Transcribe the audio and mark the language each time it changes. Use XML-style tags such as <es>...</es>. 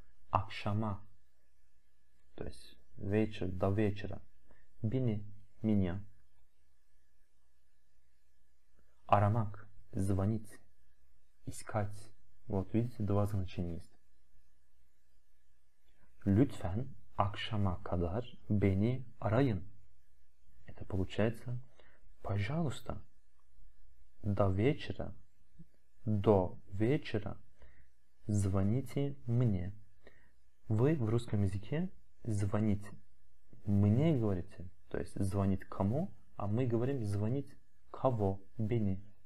<ru>Akşama, то есть вечер, до вечера. Beni, меня. Aramak, звонить, искать. Вот видите, два значения есть.</ru> <tr>Lütfen, akşama kadar beni arayın.</tr> <ru>Это получается, пожалуйста, до вечера, до вечера. Звоните мне. Вы в русском языке звоните. Мне говорите, то есть звонить кому, а мы говорим звонить кого, бени.</ru>